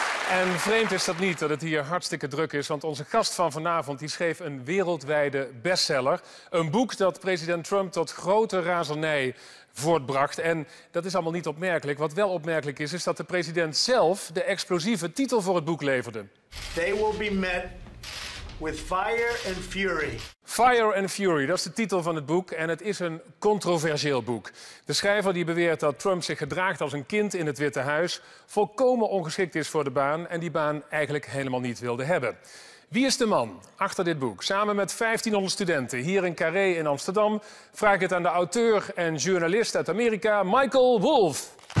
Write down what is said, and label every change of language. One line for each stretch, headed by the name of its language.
Dutch: En vreemd is dat niet, dat het hier hartstikke druk is. Want onze gast van vanavond die schreef een wereldwijde bestseller. Een boek dat president Trump tot grote razernij voortbracht. En dat is allemaal niet opmerkelijk. Wat wel opmerkelijk is, is dat de president zelf de explosieve titel voor het boek leverde.
English: They will be met with fire and fury.
Dutch: Fire and Fury, dat is de titel van het boek en het is een controversieel boek. De schrijver die beweert dat Trump zich gedraagt als een kind in het Witte Huis, volkomen ongeschikt is voor de baan en die baan eigenlijk helemaal niet wilde hebben. Wie is de man achter dit boek? Samen met 1500 studenten hier in Carré in Amsterdam vraag ik het aan de auteur en journalist uit Amerika, Michael Wolff.